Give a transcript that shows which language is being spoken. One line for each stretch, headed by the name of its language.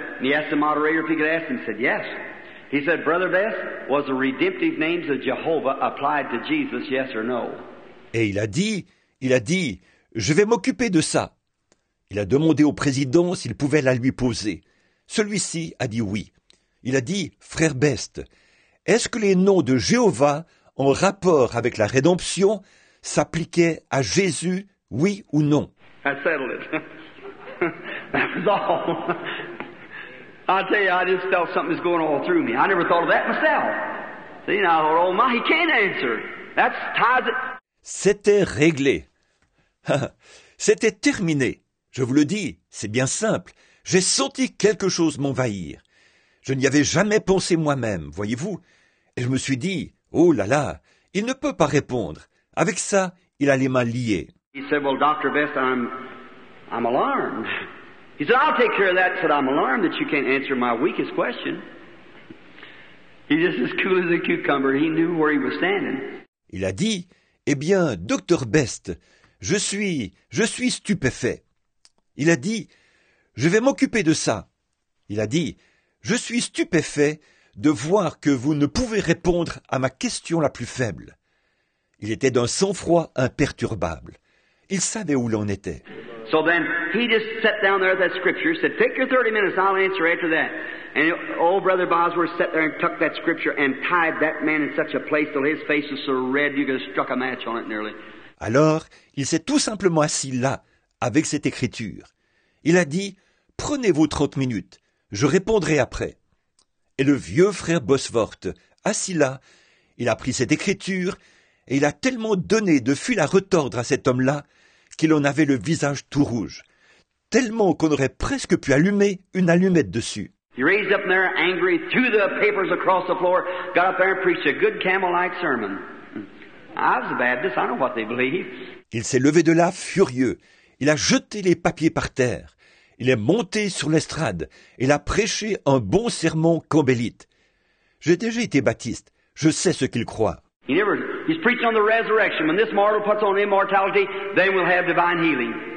English: And he asked the moderator if he could ask him. He said, yes. He said, Brother Best, was the redemptive names of Jehovah applied to Jesus, yes or no?
French: Et il a dit, je vais m'occuper de ça. Il a demandé au président s'il pouvait la lui poser. Celui-ci a dit oui. Il a dit, frère Best, est-ce que les noms de Jéhovah en rapport avec la rédemption s'appliquaient à Jésus, oui ou non?
English: I settled it. That was all. I tell you, I just felt something's going all through me. I never thought of that myself. See, now, oh my, he can't answer. That's tied.
French: C'était réglé. C'était terminé. Je vous le dis, c'est bien simple. J'ai senti quelque chose m'envahir. Je n'y avais jamais pensé moi-même, voyez-vous. Et je me suis dit, oh là là, il ne peut pas répondre. Avec ça, il a les mains liées.
English: He said, well, Dr. Best, I'm alarmed. He said, I'll take care of that. He said, I'm alarmed that you can't answer my weakest question. He's just as cool as a cucumber. He knew where he was standing.
French: Il a dit, eh bien, Dr. Best, je suis stupéfait. Il a dit, je vais m'occuper de ça. Il a dit, je suis stupéfait de voir que vous ne pouvez répondre à ma question la plus faible. Il était d'un sang-froid imperturbable. Il savait où l'on était.
English: So then he just sat down there at that scripture, said, take your 30 minutes, I'll answer after that. And old brother Bosworth sat there and tucked that scripture and tied that man in such a place till his face was so red you could have struck a match on it nearly.
French: Alors, il s'est tout simplement assis là, avec cette écriture. Il a dit, prenez vos 30 minutes, je répondrai après. Et le vieux frère Bosworth, assis là, il a pris cette écriture et il a tellement donné de fil à retordre à cet homme-là qu'il en avait le visage tout rouge, tellement qu'on aurait presque pu allumer une allumette dessus.
English: He raised up there angry, threw the papers across the floor, got up there and preached a good camel-like sermon. I was a Baptist, I know what they believe.
French: Il s'est levé de là furieux, il a jeté les papiers par terre, il est monté sur l'estrade, il a prêché un bon sermon cambélite. J'ai déjà été baptiste, Je sais ce qu'il croit.
English: He's preaching on the resurrection. When this mortal puts on immortality, then we'll have divine healing.